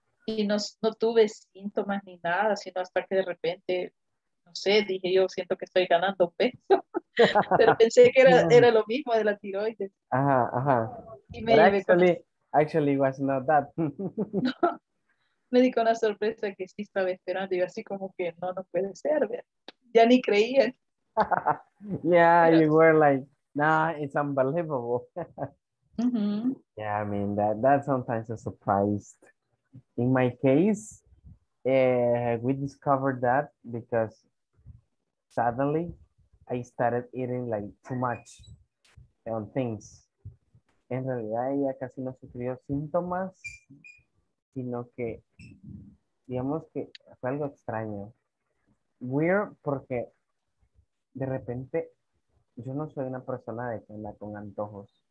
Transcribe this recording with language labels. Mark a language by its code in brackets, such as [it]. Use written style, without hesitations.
[es] Y no tuve síntomas ni nada, sino hasta que de repente, no sé, dije yo, siento que estoy ganando peso. Pero pensé que era lo mismo de la tiroides. Ajá, ajá. Y me llevé [en] actually, was not that. [es] No, me di con la sorpresa que sí estaba esperando. Y así como que no puede ser. Ya ni creía. [en] Yeah, pero, you were like, nah, it's unbelievable. Mm-hmm. Yeah, I mean, that sometimes is surprised. In my case, we discovered that because suddenly I started eating like too much on things. [es] En realidad ella casi no sufrió síntomas, sino que digamos que fue algo extraño. Weird, porque de repente yo no soy una persona de que anda con antojos.